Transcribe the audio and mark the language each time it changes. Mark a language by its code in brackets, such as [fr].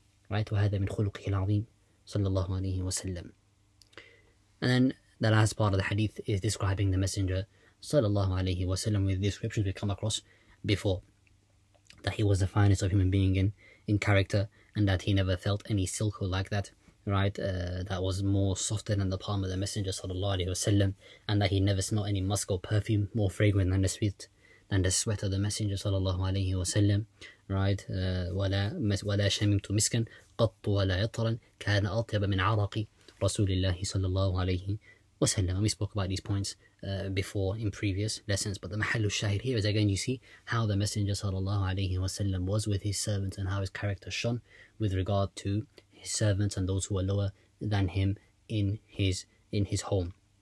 [en] Right, [ar] وهذا من خلقه العظيم صلى الله عليه وسلم. [en] And then the last part of the hadith is describing the Messenger [ar] صلى الله عليه وسلم [en] with descriptions we come across before, that he was the finest of human being in character, and that he never felt any silk or like that. Right, that was more softer than the palm of the Messenger sallallahu alaihi wasallam, and that he never smelled any musk or perfume more fragrant than the sweat of the Messenger sallallahu alaihi wasallam. [ar] Right, ولا شممت مسكا قط ولا عطرا كان أطيب من عرق رسول الله صلى الله عليه وسلم. [en] We spoke about these points before in previous lessons, but the محل الشاهد here is again you see how the Messenger sallallahu alaihi wasallam was with his servants and how his character shone with regard to his servants and those who are lower than him in his home.